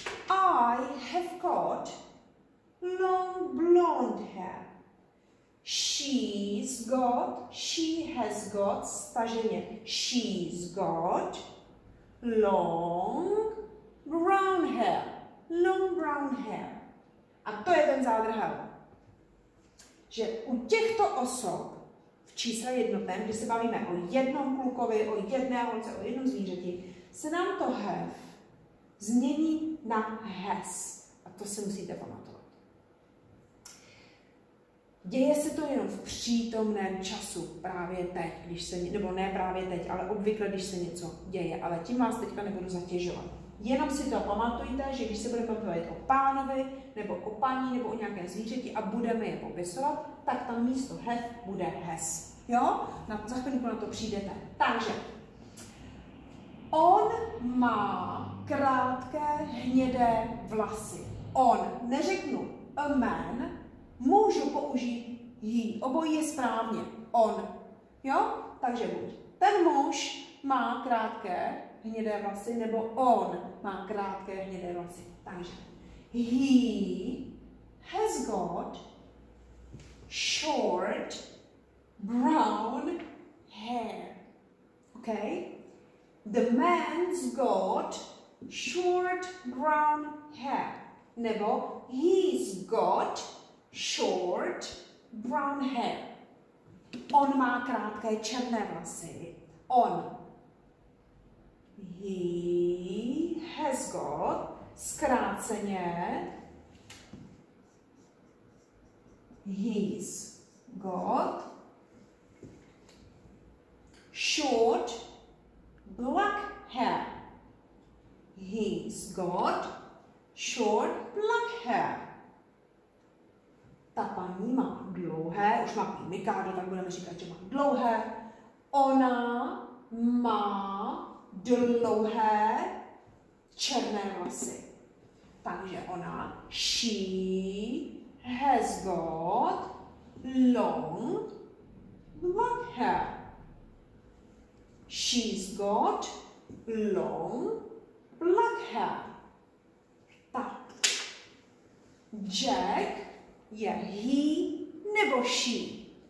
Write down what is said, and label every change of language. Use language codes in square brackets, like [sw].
[en] I have got long blonde hair. She's got, she has got, [cs] staženě, [en] she's got long brown hair. Long brown hair. [cs] A to je ten zádrhel. Že u těchto osob v čísle jednotném, kdy se bavíme o jednom klukovi, o jedné holce, o jednom zvířeti, se nám to have změní na has. A to si musíte pamatovat. Děje se to jenom v přítomném času, právě teď, když se, nebo ne právě teď, ale obvykle, když se něco děje. Ale tím vás teďka nebudu zatěžovat. Jenom si to pamatujte, že když se budeme bavit o pánovi, nebo o paní, nebo o nějaké zvířeti a budeme je popisovat, tak tam místo have bude has. Jo? Za chvilku na to přijdete. Takže, on má krátké hnědé vlasy. On, neřeknu a man, můžu použít he. Obojí je správně. On. Jo? Takže buď. Ten muž má krátké hnědé vlasy, nebo on má krátké hnědé vlasy. [en] Takže he has got short brown hair. OK? The man's got short brown hair. Nebo he's got short brown hair. [cs] On má krátké černé vlasy. On. [en] He has got [cs] zkráceně. [en] He's got short black hair. He's got short black hair. [cs] Ta paní má dlouhé, už má mikádo, tak budeme říkat, že má dlouhé. Ona má dlouhé černé vlasy. Takže ona, [en] she has got long black hair. She's got long black hair. [cs] Tak. Jack je he nebo she?